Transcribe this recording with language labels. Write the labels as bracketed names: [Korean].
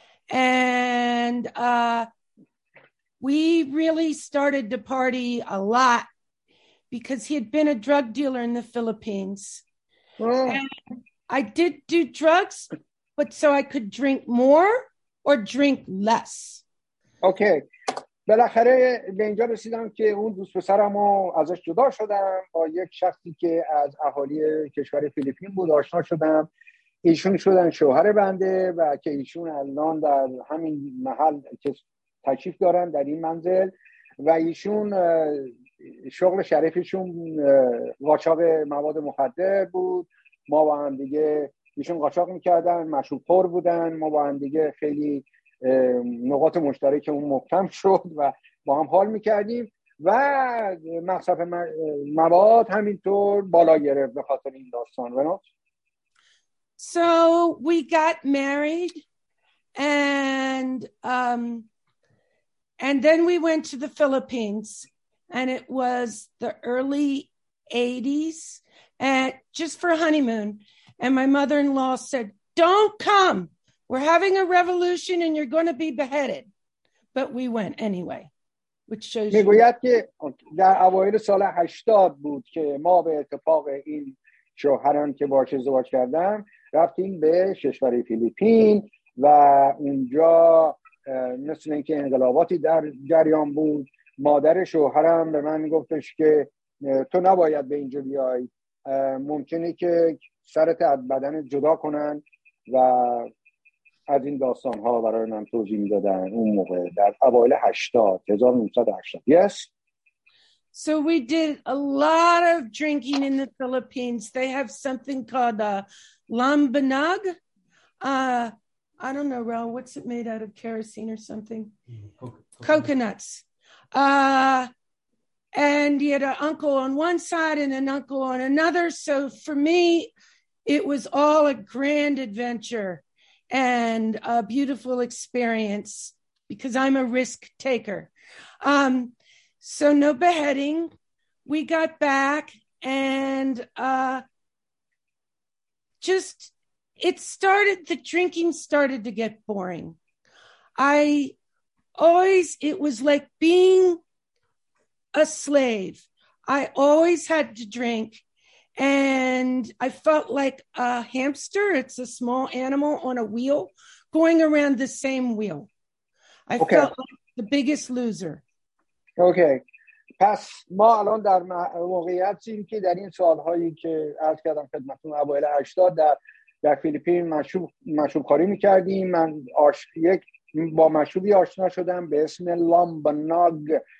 [English] And we really started to party a lot because he had been a drug dealer in the Philippines. Oh. And I did do drugs, but so I could drink more or drink less. Okay. [Persian] بالاخره به اینجا رسیدم که اون دوست پسرمو ازش جدا شدم، با یک شخصی که از اهالی کشور فیلیپین بود آشنا شدم. ایشون شدن شوهر بنده و که ایشون الان در همین محل که تشریف دارن در این منزل و ایشون شغل شریفشون قاچاق مواد مخدر بود. ما با هم دیگه ایشون قاچاق میکردن، مشروب خور بودن، ما با هم دیگه خیلی نقاط مشترک اون محکم شد و با هم حال میکردیم و مصرف مواد همینطور بالا گرفت به خاطر این داستان. [English] So we got married and then we went to the Philippines and it was the early 80s and just for honeymoon and my mother-in-law said don't come we're having a revolution and you're going to be beheaded. But we went anyway. [Persian] میگوید که در اوایل سال 80 بود که ما به اتفاق این شوهران که باهاش ازدواج کردم رفتیم به کشور فیلیپین و اونجا مثل اینکه انقلاباتی در جریان بود. مادر شوهرم به من گفتش که تو نباید به اینجا بیای، ممکنه که سرت از بدن جدا کنن و از این داستان ها برای من توضیح می دادن اون موقع در اوایل 1980. [English] Yes. So we did a lot of drinking in the Philippines. They have something called a lambanag. I don't know, Raul, what's it made out of, kerosene or something? Coconuts. And he had an uncle on one side and an uncle on another. So for me, it was all a grand adventure and a beautiful experience because I'm a risk taker. So no beheading. We got back and just it started, the drinking started to get boring. It was like being a slave. I always had to drink. And I felt like a hamster. It's a small animal on a wheel going around the same wheel. I felt like the biggest loser. Okay. [Persian] پس ما الان در موقعیتیم که در این سالهایی که عرض کردم خدمتتون اوایل 80 در فیلیپین مشروب خوری میکردیم. من با مشروبی آشنا شدم به اسم لامبناگ.